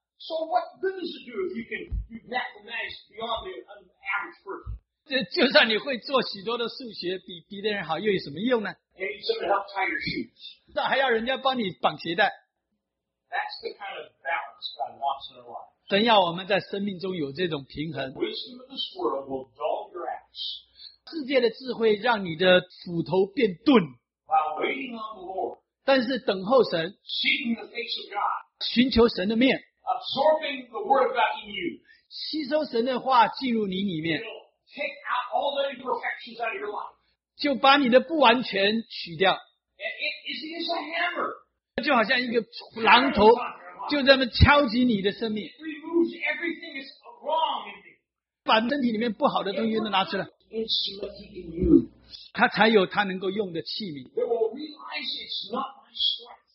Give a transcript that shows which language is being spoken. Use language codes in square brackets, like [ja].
[en] So what good does it do if you can mathematics beyond the average person? [zh] 就算你会做许多的数学比别人好又有什么用呢？ [en] And you need someone to help tie your shoes. [zh] 那还要人家帮你绑鞋带。 [en] That's the kind of balance God wants in our lives. [zh] 真要我们在生命中有这种平衡。 [en] The wisdom of this world will dull your axe. [zh] 世界的智慧让你的斧头变钝。 [en] While waiting on the Lord. [zh] 但是等候神。 [en] Seeking the face of God. [zh] 寻求神的面。 [en] Absorbing the word back in you. [zh] 吸收神的话进入你里面。 [en] Take out all the imperfections out of your life. [zh] 就把你的不完全取掉。 [en] It is a hammer. [zh] 就好像一个榔头就这么敲击你的生命。 [en] It removes everything that's wrong in you. [zh] 把身体里面不好的东西都拿出来。 [en] Instrument in you. [zh] 他才有他能够用的器皿。 [en] They will realize it's not my strength.